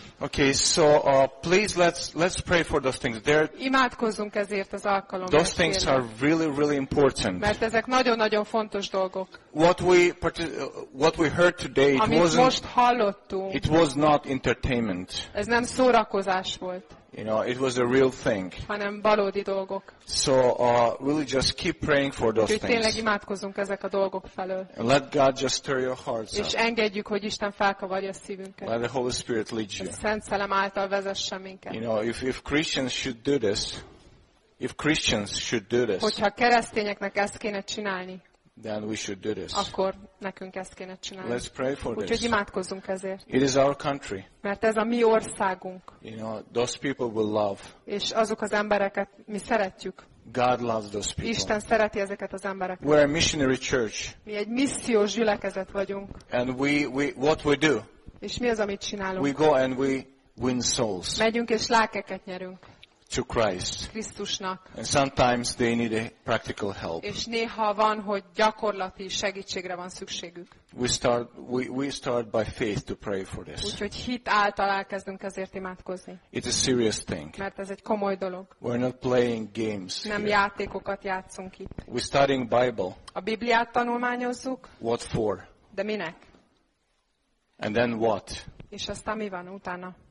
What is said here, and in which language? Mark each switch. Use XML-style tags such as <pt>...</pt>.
<en>Okay, so please let's pray for those things. They're,</en> <hu>imádkozzunk ezért az alkalomért.</hu> <en>Those things are really really important.</en> <hu>Mert ezek nagyon-nagyon fontos dolgok.</hu> <en>What we heard today,</en> <hu>amit</hu> <en>wasn't,</en> <hu>most hallottunk,</hu> <en>it was not entertainment.</en> <hu>Ez nem szórakozás volt.</hu> <en>You know, it was a real thing.</en> <hu>Hanem valódi dolgok.</hu> <en>So really just keep praying for those things.</en> <hu>Tényleg imádkozunk ezek a dolgok felől.</hu> <en>And let God just stir your hearts.</en> <hu>És engedjük, hogy Isten felkavarja a szívünket.</hu> <en>Let the Holy Spirit lead you.</en> <hu>A Szent Szellem által vezesse minket.</hu> <en>You know, if Christians should do this, if Christians should do this.</en> <hu>Hogyha keresztényeknek ezt kéne csinálni.</hu> <en>Then we should do this.</en> <hu>Akkor nekünk ezt kéne csinálni.</hu> <en>Let's pray for this.</en> <hu>Úgyhogy imádkozzunk ezért.</hu> <en>It is our country.</en> <hu>Mert ez a mi országunk.</hu> <en>You know, those people will love.</en> <hu>És azok az embereket mi szeretjük.</hu> <en>God loves those people.</en> <hu>Isten szereti ezeket az embereket.</hu> <en>We're a missionary church.</en> <hu>Mi egy missziós gyülekezet vagyunk.</hu> <en>And we what we do?</en> <hu>És mi az, amit csinálunk?</hu> <en>We go and we win souls.</en> <hu>Megyünk és lelkeket nyerünk.</hu> <en>to Christ.</en> <hu>Krisztusnak.</hu> <en>And sometimes they need a practical help.</en> <hu>És néha van, hogy gyakorlati segítségre van szükségük.</hu> <en>We start by faith to pray for this.</en> <hu>Úgyhogy hit által elkezdünk ezért imádkozni.</hu> <en>It is a serious thing.</en> <hu>Mert ez egy komoly dolog.</hu> <en>We're not playing games.</en> <hu>Nem</hu> <en>here.</en> <hu>Játékokat játszunk itt.</hu> <en>We're studying Bible.</en> <hu>A Bibliát tanulmányozzuk.</hu> <en>What for?</en> <hu>De minek?</hu> <en>And then what?</en> <hu>És aztán mi van utána?</hu>